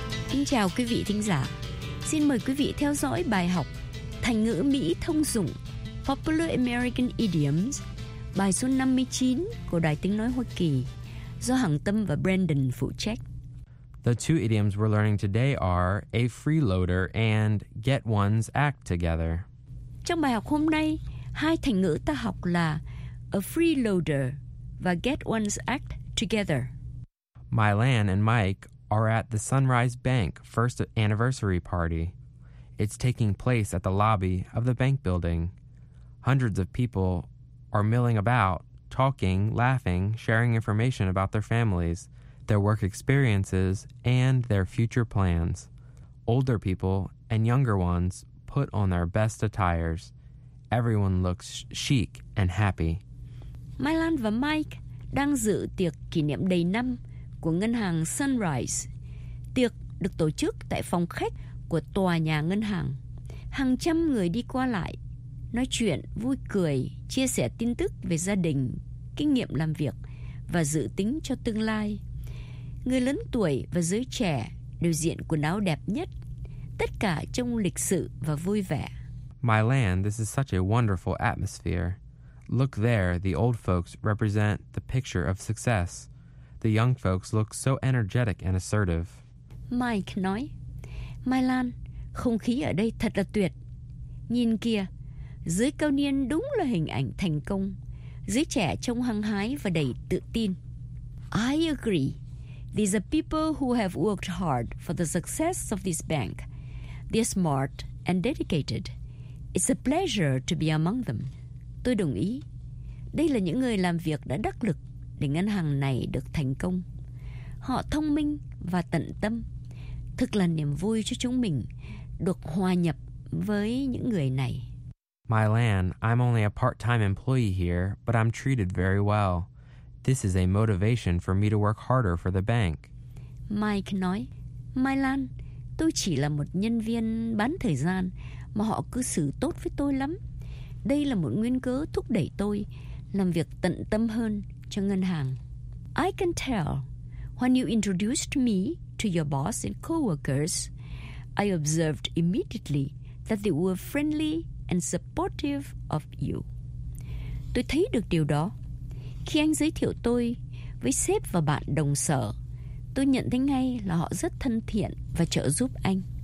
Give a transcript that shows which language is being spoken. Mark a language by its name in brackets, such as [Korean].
[Vietnamese] Xin chào quý vị thính giả. Xin mời quý vị theo dõi bài học thành ngữ Mỹ thông dụng [English] Popular American Idioms, [Vietnamese] bài số 59 của Đài Tiếng Nói Hoa Kỳ, do Hằng Tâm và Brandon phụ trách. [English] The two idioms we're learning today are a freeloader and get one's act together. [Vietnamese] Trong bài học hôm nay, hai thành ngữ ta học là [English] a freeloader [Vietnamese] và [English] get one's act together. Mylan and Mike are at the Sunrise Bank first anniversary party. It's taking place at the lobby of the bank building. Hundreds of people are milling about, talking, laughing, sharing information about their families, their work experiences, and their future plans. Older people and younger ones put on their best attires. Everyone looks chic and happy. [Vietnamese] Mai Lan và Mike đang dự tiệc kỷ niệm đầy năm của ngân hàng Sunrise. Tiệc được tổ chức tại phòng khách của tòa nhà ngân hàng. Hàng trăm người đi qua lại, nói chuyện, vui cười, chia sẻ tin tức về gia đình, kinh nghiệm làm việc và dự tính cho tương lai. Người lớn tuổi và giới trẻ đều diện quần áo đẹp nhất. Tất cả trông lịch sự và vui vẻ. [English] My land, this is such a wonderful atmosphere. Look there, the old folks represent the picture of success. The young folks look so energetic and assertive. [Vietnamese] Mike nói, Mai Lan, không khí ở đây thật là tuyệt. Nhìn kìa, giới cao niên đúng là hình ảnh thành công. Giới trẻ trông hăng hái và đầy tự tin. [English] I agree. These are people who have worked hard for the success of this bank. They're smart and dedicated. It's a pleasure to be among them. [Vietnamese] Tôi đồng ý. Đây là những người làm việc đã đắc lực để ngân hàng này được thành công. Họ thông minh và tận tâm. Thực là niềm vui cho chúng mình được hòa nhập với những người này. [English] My land, I'm only a part-time employee here, but I'm treated very well. This is a motivation for me to work harder for the bank. [Vietnamese] Mike nói, Mai Lan, tôi chỉ là một nhân viên bán thời gian mà họ cư xử tốt với tôi lắm. Đây là một nguyên cớ thúc đẩy tôi làm việc tận tâm hơn cho ngân hàng. [English] I can tell. When you introduced me to your boss and co-workers, I observed immediately that they were friendly and supportive of you. [Vietnamese] Tôi thấy được điều đó. Khi anh giới thiệu tôi với sếp và bạn đồng sở, tôi nhận thấy ngay là họ rất thân thiện và trợ giúp anh.